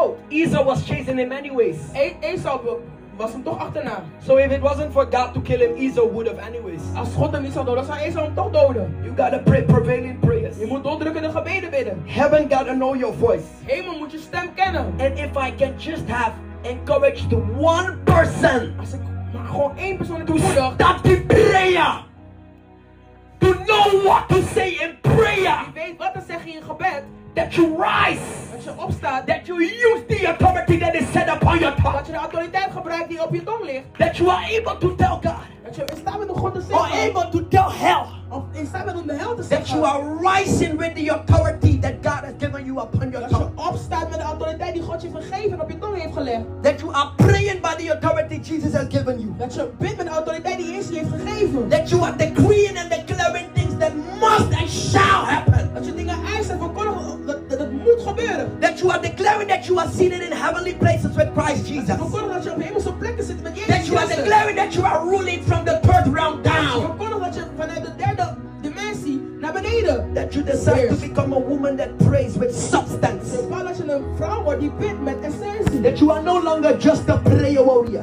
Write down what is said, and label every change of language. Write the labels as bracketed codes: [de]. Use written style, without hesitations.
[en] Esau was chasing him anyways. [nl] Was hem toch achterna. [en] So if it wasn't for God to kill him, Esau would have anyways. [nl] Als God hem niet zou doden, zou Esau hem toch doden. [en] You gotta pray prevailing prayers. [nl] Je moet doordrukkende gebeden bidden. [en] Heaven gotta know your voice. [nl] Hemel moet je stem kennen. [en] And if I can just have encouraged one person. [nl] Als ik maar gewoon één persoon [en] to moedig. Stop the prayer. To know what to say in prayer. [nl] Je weet wat te zeggen in gebed. [en] That you rise. [nl] Dat je opstaat. [en] That you use the authority that is set upon your tongue. [nl] Dat je de autoriteit gebruikt die op je tong ligt. [en] That you are able to tell God. [nl] Dat je in staat bent om God te zeggen. [en] Or able to tell hell. [nl] Of in staat bent om de hel te [en] that [nl] zeggen. [en] That you are rising with the authority that God has given you upon your [nl] dat [en] tongue. [nl] Dat je opstaat met de autoriteit die God je vergeven op je tong heeft gelegd. [en] That you are praying by the authority Jesus has given you. [nl] Dat je bidt met de autoriteit die Jezus je heeft gegeven. [en] That you are decreeing and declaring things that must and shall happen. [nl] Dat je dingen eist en verkondigt. Dat moet gebeuren. [en] That you are declaring that you are seated in heavenly places with Christ Jesus. [nl] Dat je op hemelse plekken zit met Jezus. [en] That you are declaring that you are ruling from the third round down. [nl] Dat je vanuit de derde dimensie naar beneden. [en] That you desire to become a woman that prays with substance. [nl] Dat je een vrouw wordt die bidt met essentie. [en] That you are no longer just a prayer warrior.